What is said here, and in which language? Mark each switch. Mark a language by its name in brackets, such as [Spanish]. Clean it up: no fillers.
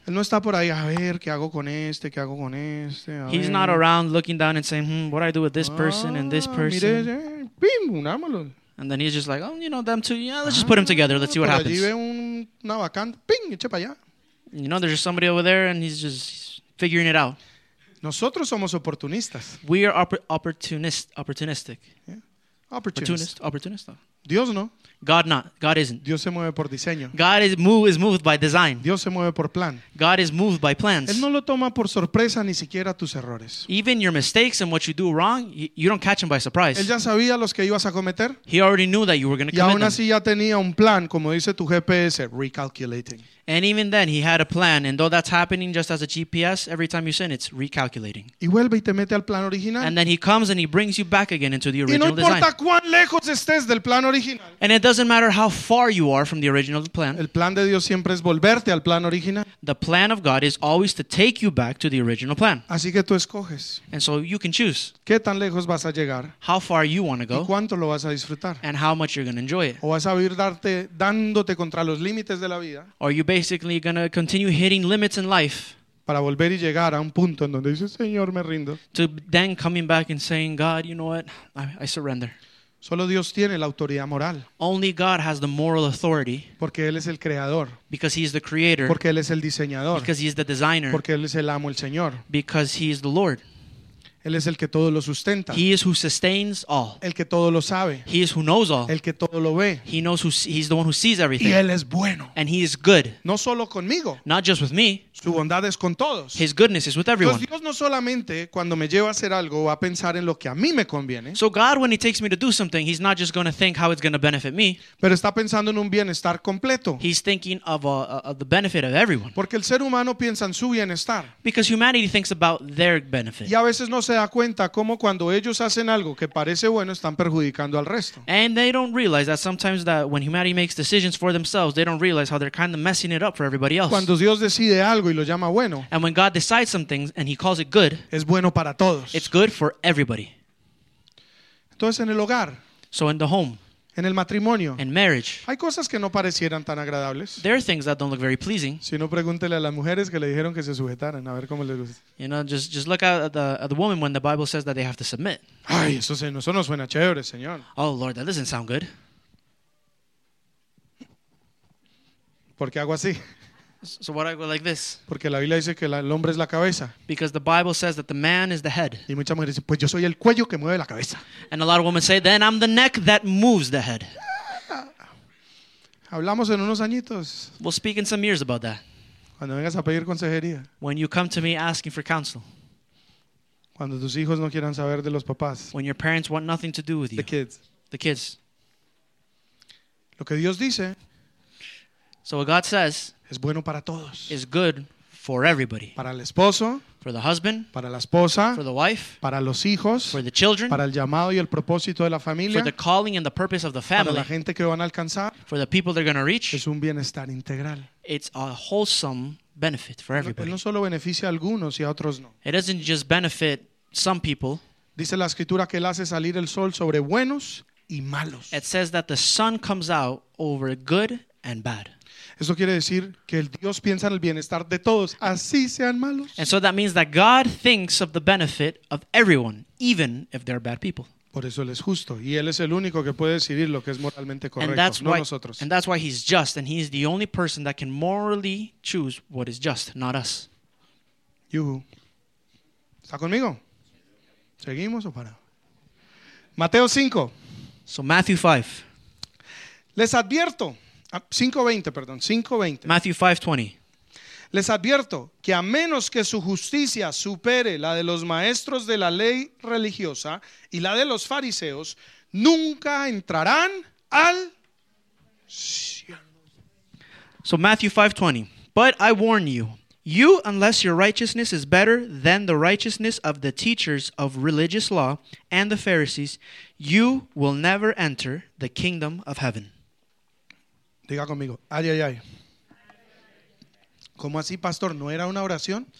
[Spanish] Él no está por ahí, a ver, ¿qué hago con este? ¿Qué hago con este? [English] He's not around looking down and saying, what do I do with this person and this person? [Spanish] Mire, bim, unámoslo. [English] And then he's just like, oh, you know, them two, yeah, let's just put them together, let's see what happens. [Spanish] Allí ve una vacante, bing, eche para allá. [English] You know, there's just somebody over there and he's just figuring it out. [Spanish] Nosotros somos oportunistas. [English] We are opportunistic. Yeah. Opportunist. [Spanish] Dios no. [English] God not. God isn't. [Spanish] Dios se mueve por diseño. [English] God is moved by design. [Spanish] Dios se mueve por plan. [English] God is moved by plans. [Spanish] Él no lo toma por sorpresa ni siquiera tus errores. [English] Even your mistakes and what you do wrong, you don't catch him by surprise. [Spanish] Él ya sabía los que ibas a cometer. [English] He already knew that you were going to commit. [Spanish] Y aún así ya tenía un plan, como dice tu GPS, recalculating. [English] And even then he had a plan, and though that's happening just as a GPS, every time you sin, it's recalculating. [Spanish] Y vuelve y te mete al plan original. [English] And then he comes and he brings you back again into the original design. [Spanish] Y no importa cuán lejos estés del plan original. [English] And it doesn't matter how far you are from the original plan. [Spanish] El plan de Dios siempre es volverte al plan original. [English] The plan of God is always to take you back to the original plan. [Spanish] Así que tú escoges. [English] And so you can choose. [Spanish] ¿Qué tan lejos vas a llegar? [English] How far you want to go. [Spanish] ¿Y cuánto lo vas a disfrutar? [English] And how much you're going to enjoy it. [Spanish] ¿O vas a vivir dándote contra los límites de la vida? [English] Or you basically going to continue hitting limits in life. [Spanish] Para volver y llegar a un punto en donde dices, Señor, me rindo. [English] To then coming back and saying, God, you know what? I surrender. [Spanish] Solo Dios tiene la autoridad moral. [English] Only God has the moral authority. [Spanish] Porque Él es el creador. [English] Because He is the creator. [Spanish] Porque Él es el diseñador. [English] Because He is the designer. [Spanish] Porque Él es el amo, el Señor. [English] Because He is the Lord. [Spanish] Él es el que todo lo sustenta. [English] He is who sustains all. [Spanish] El que todo lo sabe. [English] He is who knows all. [Spanish] El que todo lo ve. [English] He knows he's the one who sees everything. [Spanish] Y Él es bueno. [English] And He is good. [Spanish] No solo conmigo. [English] Not just with me. [Spanish] Su bondad es con todos. [English] His goodness is with everyone. [Spanish] Entonces Dios no solamente cuando me lleva a hacer algo va a pensar en lo que a mí me conviene. [English] So God, when He takes me to do something, He's not just going to think how it's going to benefit me. [Spanish] Pero está pensando en un bienestar completo. [English] He's thinking of the benefit of everyone. [Spanish] Porque el ser humano piensa en su bienestar. [English] Because humanity thinks about their benefit. [Spanish] Y a veces no se da cuenta cómo cuando ellos hacen algo que parece bueno están perjudicando al resto. [English] And they don't realize that sometimes that when humanity makes decisions for themselves, they don't realize how they're kind of messing it up for everybody else. [Spanish] Cuando Dios decide algo y lo llama bueno. [English] And when God decides something and He calls it good, [Spanish] es bueno para todos. [English] It's good for everybody. [Spanish] Entonces en el hogar, [English] so in the home, [Spanish] en el matrimonio, [English] in marriage, [Spanish] hay cosas que no parecieran tan agradables. [English] There are things that don't look very pleasing. [Spanish] Si no, pregúntele a las mujeres que le dijeron que se sujetaran, a ver cómo les gusta. [English] You know, just look at the woman when the Bible says that they have to submit. [Spanish] Ay, eso no suena chévere, Señor. [English] Oh Lord, that doesn't sound good. [Spanish] ¿Por qué hago así? [English] So what I go like this. [Spanish] Porque la Biblia dice que el hombre es la cabeza. [English] Because the Bible says that the man is the head. [Spanish] Y muchas mujeres dicen, pues yo soy el cuello que mueve la cabeza. [English] And a lot of women say, then I'm the neck that moves the head. [Spanish] Hablamos en unos añitos. [English] We'll speak in some years about that. [Spanish] Cuando vengas a pedir consejería. [English] When you come to me asking for counsel. [Spanish] Cuando tus hijos no quieran saber de los papás. [English] When your parents want nothing to do with you. The kids. The kids. [Spanish] Lo que Dios dice. [English] So what God says. [Spanish] Es bueno para todos. [English] Is good for everybody. [Spanish] Para el esposo. [English] For the husband. [Spanish] Para la esposa. [English] For the wife. [Spanish] Para los hijos. [English] For the children. [Spanish] Para el llamado y el propósito de la familia. [English] For the calling and the purpose of the family. [Spanish] Para la gente que van a alcanzar. [English] For the people they're going to reach. [Spanish] Es un bienestar integral. [English] It's a wholesome benefit for everybody. [Spanish] No, no solo beneficia a algunos y a otros no. [English] It doesn't just benefit some people. [Spanish] Dice la escritura que él hace salir el sol sobre buenos y malos. [English] It says that the sun comes out over good and bad. [Spanish] Eso quiere decir que el Dios piensa en el bienestar de todos, así sean malos. [English] And so that means that God thinks of the benefit of everyone, even if they're bad people. [Spanish] Por eso él es justo y él es el único que puede decidir lo que es moralmente correcto, [English] and that's [Spanish] no [English] why, [Spanish] nosotros. [English] And that's why he's just, and he's the only person that can morally choose what is just, not us. [Spanish] Yuhu. ¿Está conmigo? ¿Seguimos o para? Mateo 5. [English] So Matthew 5. [Spanish] Les advierto. 5:20, perdón, 5:20. [English] Matthew 5:20. [Spanish] Les advierto que a menos que su justicia supere la de los maestros de la ley religiosa y la de los fariseos, nunca entrarán al cielo. [English] So Matthew 5:20. But I warn you, you unless your righteousness is better than the righteousness of the teachers of religious law and the Pharisees, you will never enter the kingdom of heaven. [Spanish] Diga conmigo, ay, ay, ay. ¿Cómo así, pastor? ¿No era una oración?